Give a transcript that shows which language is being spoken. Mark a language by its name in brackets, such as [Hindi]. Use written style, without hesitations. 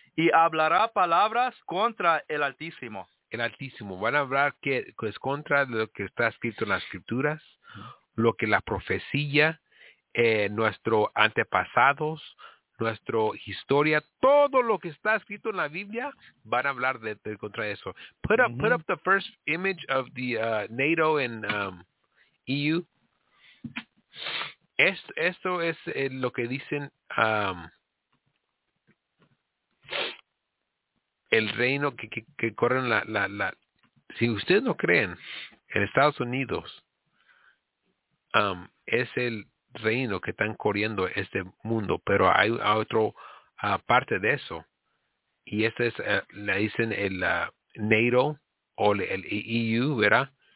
[Spanish] Y hablará palabras contra el Altísimo. El Altísimo. Van a hablar que es contra lo que está escrito en las Escrituras, lo que la profecía, nuestros antepasados, nuestra historia, todo lo que está escrito en la Biblia, van a hablar de contra eso. [English] Put up, put up the first image of the NATO and EU. [Spanish] Esto es lo que dicen el reino que corren la. Si ustedes no creen en Estados Unidos, es el reino que están corriendo este mundo, pero hay otro parte de eso, y esta es le dicen el NATO o el EU, ¿verdad?